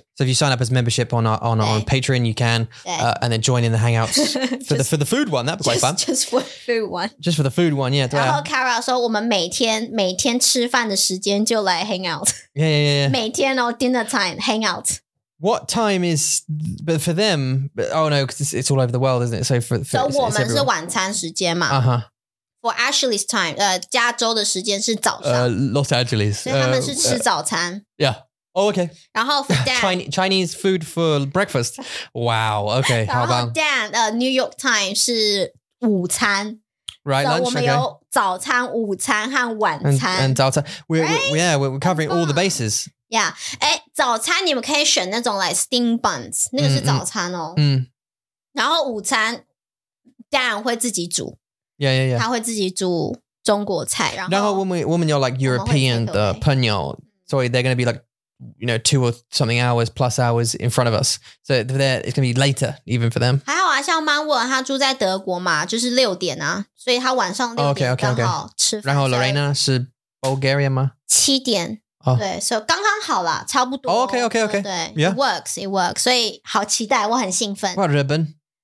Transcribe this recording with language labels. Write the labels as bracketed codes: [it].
[en] So if you sign up as membership on Patreon, you can, and then join in the hangouts for the food one. That'd be quite fun. Just for food one. Just for the food one, yeah. [zh] 然后 Kara 说，我们每天吃饭的时间就来 hangout. [en] Yeah. [zh] 每天 or dinner time hangout. [en] What time is? But for them, oh no, because it's all over the world, isn't it? So for [zh] so 我们是晚餐时间嘛. [en] Uh huh. for Ashley's time, [zh] 加州的时间是早上。 [en] Los Angeles. [zh] 所以他们是吃早餐。 [en] Yeah. Oh, okay. [zh] 然后 for Dan, [en] Chinese food for breakfast. Wow, okay. [zh] 然后 Dan, New York time 是午餐。 [en] Right, lunch, okay. [zh] 我们有早餐、午餐和晚餐。 [en] And 早餐。We're covering all the bases. [zh] Yeah. 诶，早餐你们可以选那种 [en] like steam buns, [zh] 那个是早餐哦。然后午餐 Dan 会自己煮。 [en] Yeah, yeah, yeah. [zh] 他会自己煮中国菜。然后我们有 like European 的朋友。 [en] 所以 they're going to be like,you know, two or something hours plus hours in front of us. So there, it's going to be later even for them. [zh] 还好啊，像 Manuel 他住在德国嘛，就是六点啊，所以他晚上六点刚好吃饭。 [en] Okay, okay, okay. [zh] 然后 Lorena 是 Bulgaria 吗？七点。 [en] Oh. [zh] 对，所以刚刚好了，差不多。 [en] Oh, okay, okay, okay. [zh] 对、 [en] yeah. It works. [zh] 所以好期待，我很兴奋。 [en] What 日本？